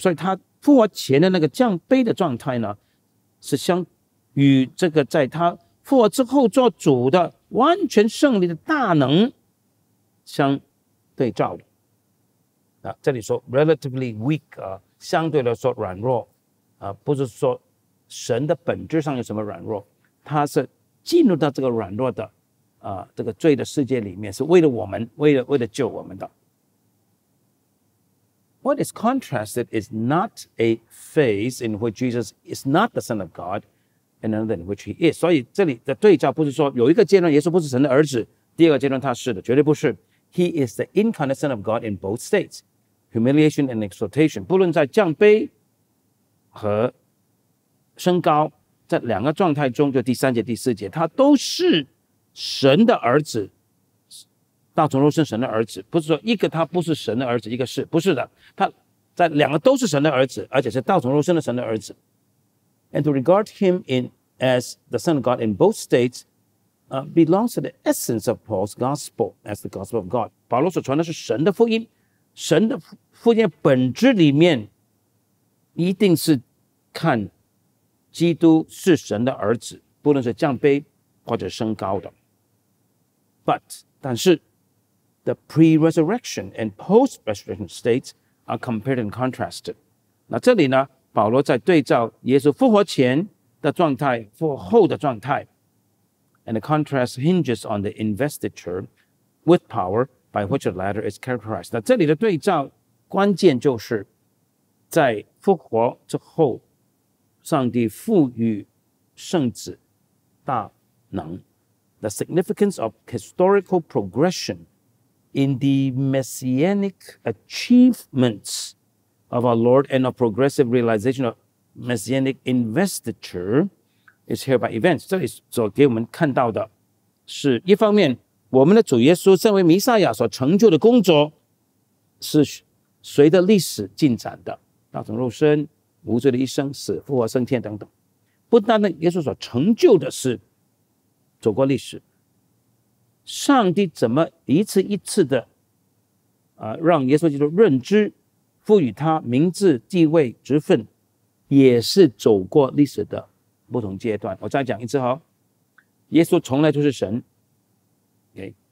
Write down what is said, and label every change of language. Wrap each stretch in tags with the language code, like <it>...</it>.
<zh>所以他复活前的那个降卑的状态呢，是相与这个在他复活之后做主的完全胜利的大能相对照的、这里说</zh> <en>relatively weak、</en> <zh>相对来说软弱、不是说神的本质上有什么软弱，他是进入到这个软弱的这个罪的世界里面，是为了我们，为了救我们的。</zh> <en>What is contrasted is not a phase in which Jesus is not the Son of God, and another in which he is.</en> <zh>所以这里的对照不是说有一个阶段耶稣不是神的儿子，第二个阶段他是的，绝对不是。</zh> <en>He is the incarnate Son of God in both states, humiliation and exaltation.</en> <zh>不论在降卑和升高这两个状态中，就第三节第四节，他都是神的儿子，道成肉身神的儿子，不是说一个他不是神的儿子，一个是，不是的，他在两个都是神的儿子，而且是道成肉身的神的儿子。</zh> <en>And to regard him in as the Son of God in both states belongs to the essence of Paul's gospel as the gospel of God.</en> <zh>保罗所传的是神的福音，神的福音本质里面一定是看基督是神的儿子，不论是降卑或者升高的。但是</zh> <en>the pre-resurrection and post-resurrection states are compared and contrasted.</en> <zh>那这里呢，保罗在对照耶稣复活前的状态、复活后的状态。</zh> <en>And the contrast hinges on the investiture with power by which the latter is characterized.</en> <zh>那这里的对照关键就是在复活之后上帝赋予圣子大能。</zh> <en>The significance of historical progression in the messianic achievements of our Lord and a progressive realization of messianic investiture is hereby events.</en> <zh>这里所给我们看到的是一方面我们的主耶稣身为弥赛亚所成就的工作是随着历史进展的，道成肉身，无罪的一生，死，复活，升天等等。不单单耶稣所成就的是走过历史，上帝怎么一次一次的让耶稣基督认知，赋予他名字、地位、职分，也是走过历史的不同阶段。我再讲一次哦，耶稣从来就是神、okay?</zh>